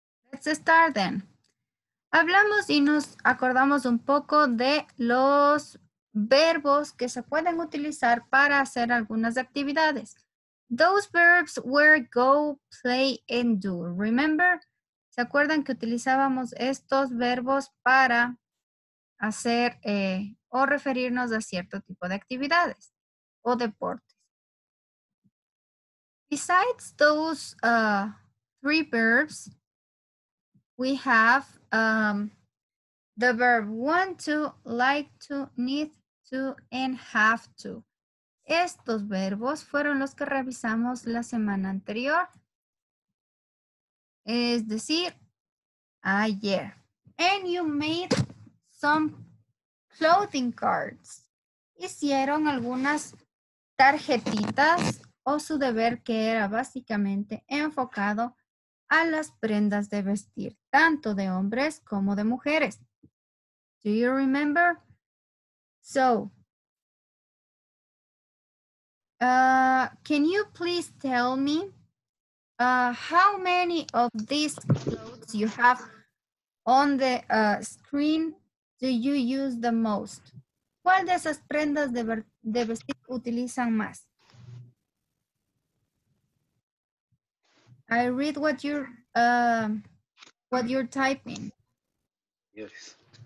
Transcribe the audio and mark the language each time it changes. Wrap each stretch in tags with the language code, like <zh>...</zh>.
<en>Let's start then.</en> <es>Hablamos y nos acordamos un poco de los verbos que se pueden utilizar para hacer algunas actividades.</es> <en>Those verbs were go, play, and do. Remember?</en> <es>¿Se acuerdan que utilizábamos estos verbos para hacer o referirnos a cierto tipo de actividades o deportes?</es> <en>Besides those three verbs, we have the verb want to, like to, need to and have to.</en> <es>Estos verbos fueron los que revisamos la semana anterior. Es decir, ayer.</es> <en>And you made some clothing cards.</en> <es>Hicieron algunas tarjetitas o su deber que era básicamente enfocado a las prendas de vestir, tanto de hombres como de mujeres.</es> <en>Do you remember? So, can you please tell me how many of these clothes you have on the screen do you use the most?</en> <es>¿Cuál de esas prendas de vestir utilizan más?</es> <en>I read what you're typing. Yes.</en>